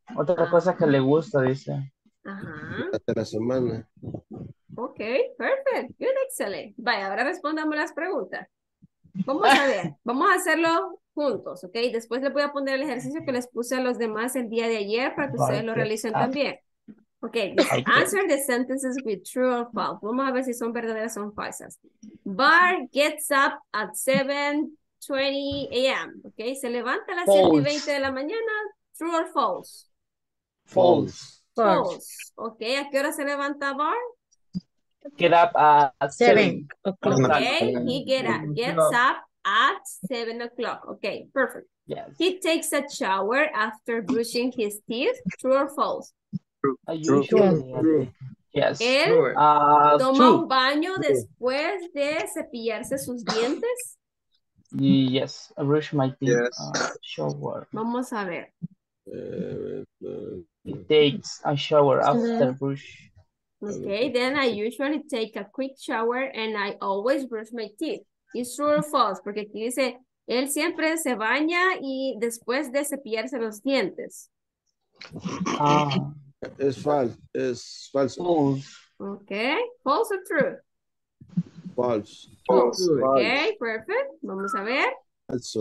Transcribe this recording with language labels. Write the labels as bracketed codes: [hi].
[es] Otra cosa que le gusta, dice. Ajá. De la semana. [en] Ok, perfect. Good, excellent. [es] Vaya, ahora respondamos las preguntas. Vamos a ver, vamos a hacerlo juntos, ¿ok? Después les voy a poner el ejercicio que les puse a los demás el día de ayer para que ustedes lo realicen también. [en] Ok, answer the sentences with true or false. [es] Vamos a ver si son verdaderas o falsas. [en] Bart gets up at 7:20 a.m., [es] ¿ok? Se levanta a las 7:20 de la mañana. [en] True or false? False. [es] Ok, ¿a qué hora se levanta Bart? [en] Get up at 7 o'clock. Okay, he gets up at 7 o'clock. Okay, perfect. Yes. He takes a shower after brushing his teeth. True or false? True. Yes. [es] Él toma un baño después de cepillarse sus dientes. [en] Yes, I brush my teeth. Yes. Shower. [es] Vamos a ver. [en] He takes a shower after brush. Okay, then I usually take a quick shower and I always brush my teeth. It's true or false? [es] Porque aquí dice, él siempre se baña y después de cepillarse los dientes. Es false. Es falso. [en] Okay, false or true? False. Okay, perfect. [es] Vamos a ver. [en] Also.